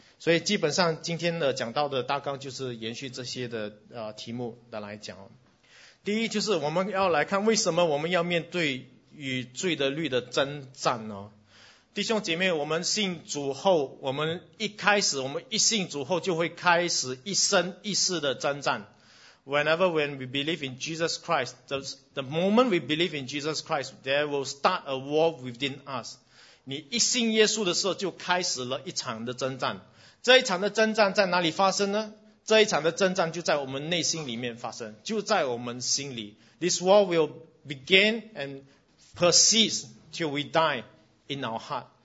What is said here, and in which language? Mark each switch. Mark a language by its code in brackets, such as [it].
[zh] 所以基本上今天的讲到的大纲就是延续这些的题目的来讲。第一就是我们要来看为什么我们要面对与罪的律的征战呢？弟兄姐妹，我们信主后，我们一信主后就会开始一生一世的征战。 [en] Whenever when we believe in Jesus Christ, the moment we believe in Jesus Christ, there will start a war within us. [zh] 你一信耶稣的时候就开始了一场的征战。这一场的征战在哪里发生呢？这一场的征战就在我们内心里面发生，就在我们心里。 [en] This war will begin and persist till we die in our heart.